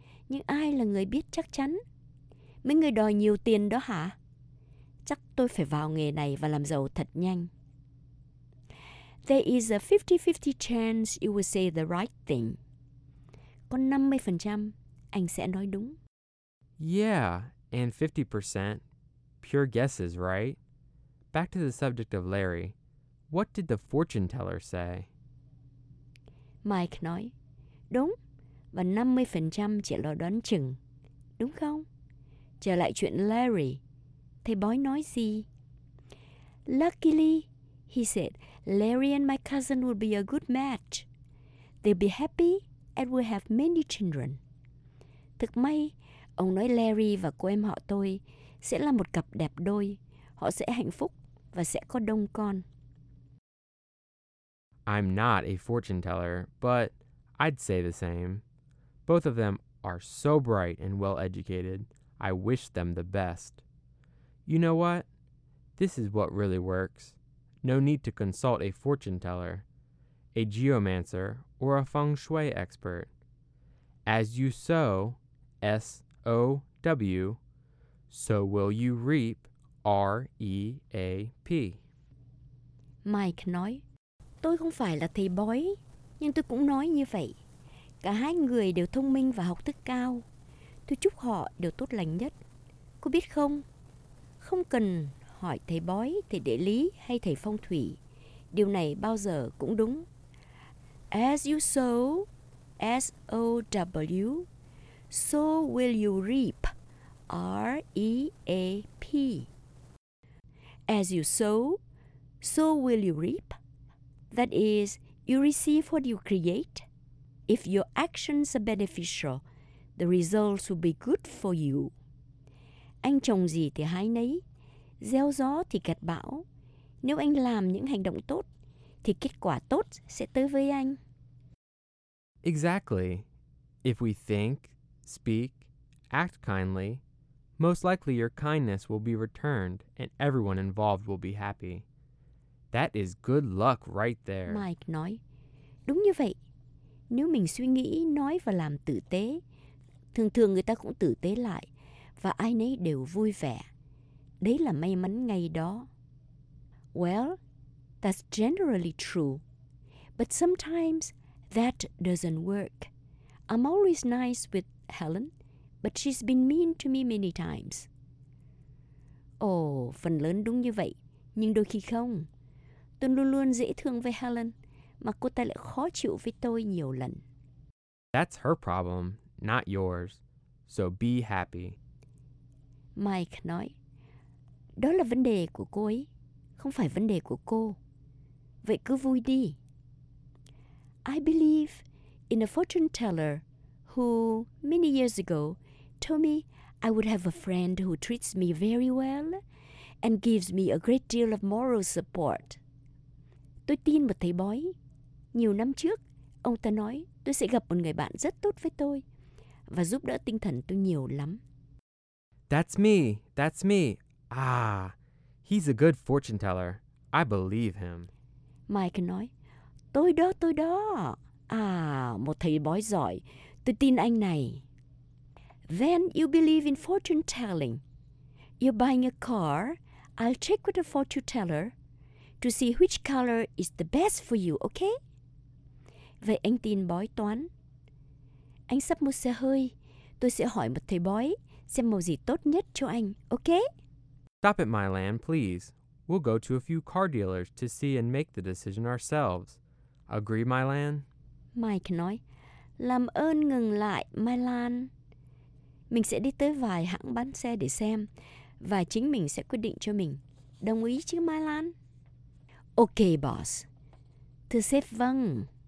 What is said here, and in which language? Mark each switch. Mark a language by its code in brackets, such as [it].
[vi] Nhưng ai là người biết chắc chắn? Mấy người đòi nhiều tiền đó hả? chắc tôi phải vào nghề này và làm giàu thật nhanh. [en] There is a 50-50 chance you will say the right thing. [vi] Có 50% anh sẽ nói đúng. [en] Yeah, and 50% pure guesses, right? Back to the subject of Larry. What did the fortune teller say? [vi] Mike nói, đúng, và 50% chỉ là đoán chừng, đúng không? Trở lại chuyện Larry, thầy bói nói gì? [en] Luckily, he said, Larry and my cousin will be a good match. They'll be happy and will have many children. [vi] Thật may, ông nói Larry và cô em họ tôi sẽ là một cặp đẹp đôi. Họ sẽ hạnh phúc và sẽ có đông con. [en] I'm not a fortune teller, but I'd say the same. Both of them are so bright and well-educated. I wish them the best. You know what? This is what really works. No need to consult a fortune teller, a geomancer, or a feng shui expert. As you sow, S-O-W, so will you reap, R-E-A-P. [vi] Mike nói, tôi không phải là thầy bói, nhưng tôi cũng nói như vậy. Cả hai người đều thông minh và học thức cao. Tôi chúc họ đều tốt lành nhất. Cô biết không? Không cần hỏi thầy bói, thầy địa lý hay thầy phong thủy. Điều này bao giờ cũng đúng. [en] As you sow, S-O-W, so will you reap, R-E-A-P. As you sow, so will you reap. That is, you receive what you create. If your actions are beneficial, the results will be good for you. [vi] Anh trồng gì thì hái nấy, gieo gió thì gặt bão. Nếu anh làm những hành động tốt, thì kết quả tốt sẽ tới với anh. [en] Exactly. If we think, speak, act kindly, most likely your kindness will be returned and everyone involved will be happy. That is good luck right there. [vi] Mike nói, đúng như vậy. Nếu mình suy nghĩ, nói và làm tử tế, thường thường người ta cũng tử tế lại và ai nấy đều vui vẻ. Đấy là may mắn ngay đó. [en] Well, that's generally true. But sometimes that doesn't work. I'm always nice with Helen, but she's been mean to me many times. [vi] Oh, phần lớn đúng như vậy, nhưng đôi khi không. Tôi luôn luôn dễ thương với Helen, mà cô ta lại khó chịu với tôi nhiều lần. [en] That's her problem, not yours. So be happy. [vi] Mike nói, đó là vấn đề của cô ấy, không phải vấn đề của cô. Vậy cứ vui đi. [en] I believe in a fortune teller who, many years ago, told me I would have a friend who treats me very well and gives me a great deal of moral support. [vi] Tôi tin một thầy bói. Nhiều năm trước, ông ta nói tôi sẽ gặp một người bạn rất tốt với tôi và giúp đỡ tinh thần tôi nhiều lắm. [en] That's me. Ah, he's a good fortune teller. I believe him. [vi] Mike nói, tôi đó. À, một thầy bói giỏi. Tôi tin anh này. [en] Then you believe in fortune telling. You're buying a car. I'll check with a fortune teller to see which color is the best for you, okay? [vi] Vậy anh tin bói toán. Anh sắp mua xe hơi. Tôi sẽ hỏi một thầy bói xem màu gì tốt nhất cho anh, okay? [en] Stop it, Mylan, please. We'll go to a few car dealers to see and make the decision ourselves. Agree, Mylan? [vi] Mike nói, làm ơn ngừng lại, Mylan. Mình sẽ đi tới vài hãng bán xe để xem, và chính mình sẽ quyết định cho mình. Đồng ý chứ, Mylan? [en] Okay, boss. [vi] Thưa sếp, vâng.